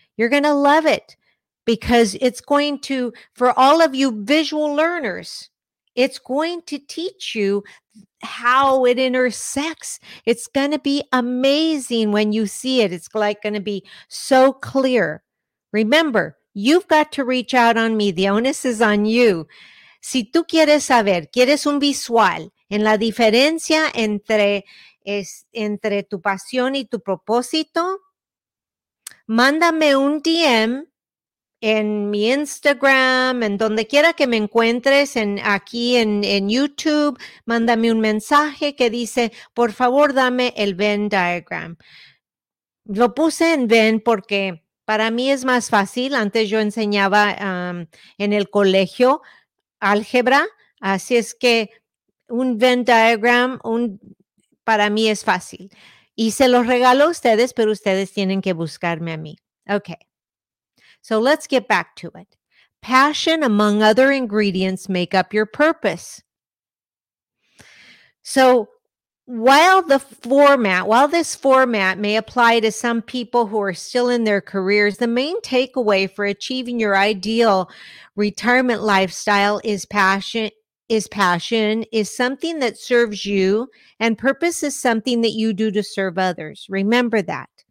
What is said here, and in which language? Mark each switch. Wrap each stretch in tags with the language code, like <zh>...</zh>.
<en>You're going to love it because it's going to, for all of you visual learners, it's going to teach you how it intersects. It's going to be amazing when you see it. It's like going to be so clear. Remember, you've got to reach out on me. The onus is on you.</en> <es>Si tú quieres saber, quieres un visual en la diferencia entre tu pasión y tu propósito, mándame un DM. En mi Instagram, en donde quiera que me encuentres, aquí en YouTube, mándame un mensaje que dice, por favor, dame el Venn diagram. Lo puse en Venn porque para mí es más fácil. Antes yo enseñaba en el colegio álgebra, así es que un Venn diagram para mí es fácil. Y se los regalo a ustedes, pero ustedes tienen que buscarme a mí.</es> <en>Okay. So let's get back to it. Passion, among other ingredients, make up your purpose. So while this format may apply to some people who are still in their careers, the main takeaway for achieving your ideal retirement lifestyle is something that serves you, and purpose is something that you do to serve others. Remember that.</en>